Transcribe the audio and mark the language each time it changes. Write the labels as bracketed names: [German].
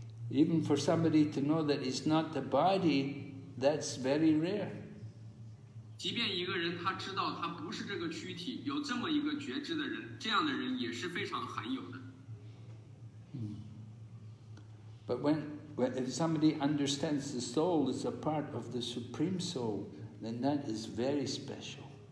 [English] Even for somebody to know that it's not the body, that's very rare. [Chinese] 即便一个人他知道他不是这个躯体, 有这么一个觉知的人, 这样的人也是非常罕有的。 [English] But when if somebody understands the soul is a part of the Supreme Soul, then that is very special.